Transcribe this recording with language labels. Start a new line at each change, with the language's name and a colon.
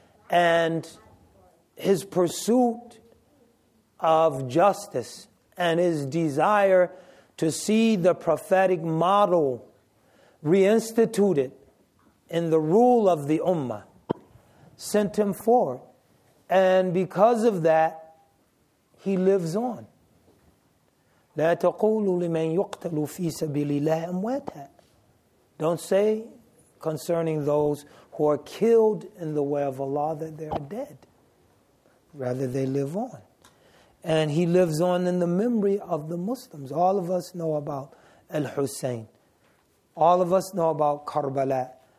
English: And his pursuit of justice and his desire to see the prophetic model reinstituted in the rule of the ummah sent him forward. And because of that, he lives on.
Arabic: لا تقولوا لمن يقتل في سبيل الله أمواتا.
English: Don't say concerning those who are killed in the way of Allah that they are dead. Rather, they live on. And he lives on in the memory of the Muslims. All of us know about Al-Hussein. All of us know about Karbala.